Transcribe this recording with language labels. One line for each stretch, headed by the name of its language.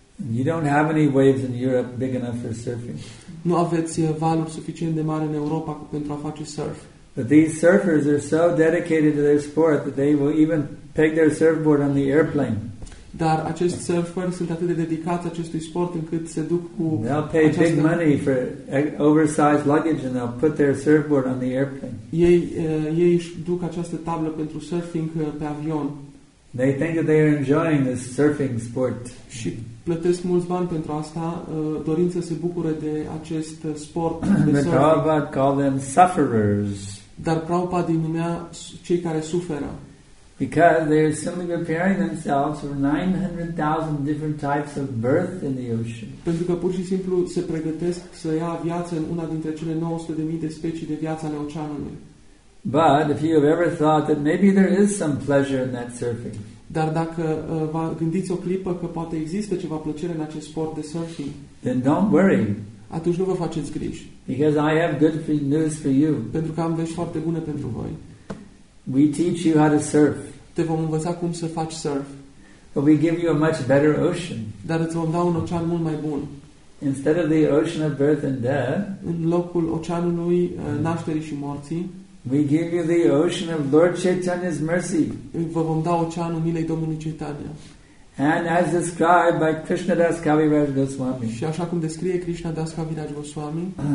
English: You don't have any waves in Europe big enough for surfing.
Romanian: Nu aveți valuri suficient de mari în Europa pentru a face surf.
English: But these surfers are so dedicated to their sport that they will even peg their surfboard on the airplane.
Romanian: Dar acești surferi sunt atât de dedicați acestui sport încât se duc cu
English: they'll pay big money for oversized luggage and they'll put their surfboard on the airplane.
Romanian: Ei își duc această tablă pentru surfing pe avion.
English: They think that they are enjoying this surfing sport.
Romanian: Și plătesc mulți bani pentru asta, dorind să se bucure de acest sport de surfing.
English: Prabhupada call them sufferers.
Romanian: Dar Prabhupada îi numea cei care suferă.
English: Because they are simply preparing themselves for 900,000 different types of birth in the ocean.
Romanian: Pentru că pur și simplu se pregătesc să ia viață în una dintre cele 900,000 de specii de viață ale oceanului.
English: But if you have ever thought that maybe there is some pleasure in that surfing.
Romanian: Dar dacă vă gândiți o clipă că poate există ceva plăcere în acest sport de surfing.
English: Then don't worry.
Romanian: Atunci nu vă faceți griji.
English: Because I have good news for you.
Romanian: Pentru că am vești foarte bune pentru voi.
English: We teach you how to surf.
Romanian: Te vom învăța cum să faci surf.
English: But we give you a much better ocean.
Romanian: Dar îți vom da un ocean mult mai bun.
English: Instead of the ocean of birth and death,
Romanian: în locul oceanului nașterii și morții,
English: we give you the ocean of Lord Chaitanya's mercy.
Romanian: Vă vom da oceanul milei Domnului Chaitanya.
English: And as described by Krishna Das Kaviraj Goswami.
Romanian: Și așa cum descrie Krishna Das Kaviraj Goswami.